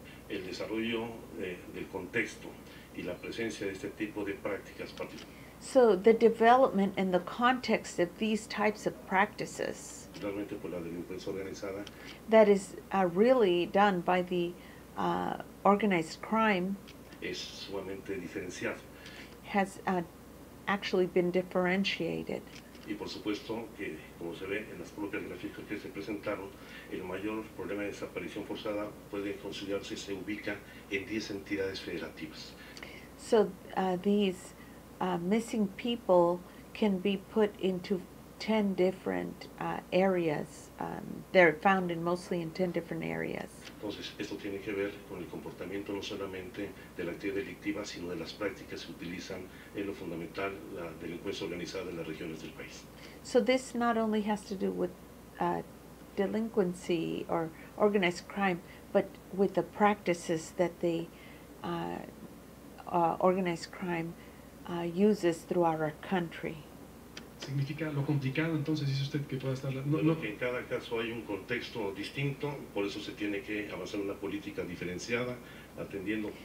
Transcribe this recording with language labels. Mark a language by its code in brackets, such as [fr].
[es] El desarrollo del contexto y la presencia de este tipo de prácticas. [en] So the development and the context of these types of practices. [es] Realmente por la delincuencia organizada. [en] That is really done by the organized crime. [es] Es sumamente diferenciado. [en] Has actually been differentiated. [es] Y por supuesto que, como se ve en las propias gráficas que se presentaron, el mayor problema de desaparición forzada puede considerarse se ubica en 10 entidades federativas. [en] So these missing people can be put into 10 different areas. They're found in mostly in 10 different areas. [es] Entonces, esto tiene que ver con el comportamiento no solamente de la actividad delictiva, sino de las prácticas que utilizan en lo fundamental la delincuencia organizada en las regiones del país. [en] So this not only has to do with delinquency or organized crime, but with the practices that the organized crime uses throughout our country. [es] Significa lo complicado, entonces dice usted que pueda estar... Que en cada caso hay un contexto distinto, por eso se tiene que avanzar una política diferenciada, atendiendo...